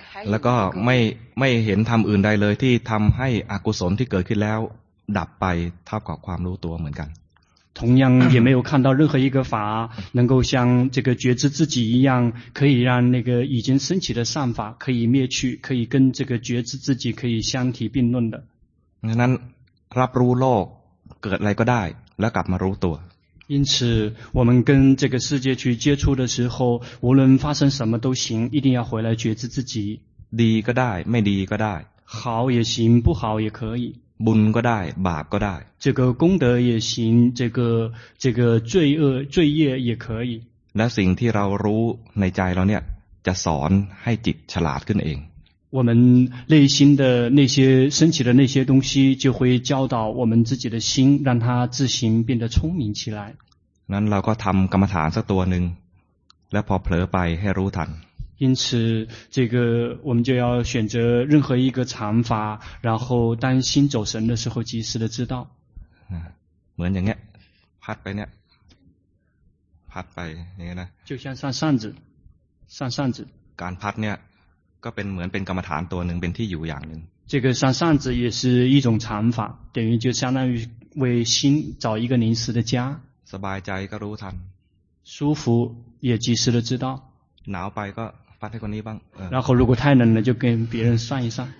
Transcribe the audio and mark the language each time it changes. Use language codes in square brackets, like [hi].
[th] แล้วก็ไม่เห็นธรรมอื่นใดเลยที่ทำให้อกุศลที่เกิดขึ้นแล้วดับไปเท่ากับความรู้ตัวเหมือนกัน [zh] 同样也没有看到任何一个法能够像这个觉知自己一样可以让那个已经升起的善法可以灭去可以跟这个觉知自己可以相提并论的 [th] นั้นรับรู้โลกเกิดอะไรก็ได้แล้วกลับมารู้ตัว [zh] 因此我们跟这个世界去接触的时候无论发生什么都行一定要回来觉知自己 [th] ดีก็ได้ไม่ดีก็ได้ [zh] 好也行不好也可以 [th] บุญก็ได้บาปก็ได้ [zh] 这个功德也行这个罪恶罪业也可以 [th] และสิ่งที่เรารู้ในใจเราเนี่ยจะสอนให้จิตฉลาดขึ้นเอง [zh] 我们内心的那些升起的那些东西就会教导我们自己的心让它自行变得聪明起来 [th] นั้นเราก็ทำกรรมฐานสักตัวหนึ่งแล้วพอเผลอไปให้รู้ทัน [zh] 因此这个我们就要选择任何一个禅法然后当心走神的时候及时的知道 [th] เหมือนอย่างเงี้ยพัดไปเนี่ยพัดไปอย่างเงี้ยนะ [zh] 就像扇扇子扇扇子 [th] การพัดเนี่ยก็เป็นเหมือนเป็นกรรมฐานตัวนึงเป็นที่อยู่อย่างนึง [zh] 这个扇扇子也是一种禅法等于就相当于为心找一个临时的家 [th] สบายใจก็รู้ทัน [zh] 舒服也及时的知道 [th] หนาวไปก็พัดให้คนนี้บ้าง [zh] 然后如果太冷了就跟别人扇一扇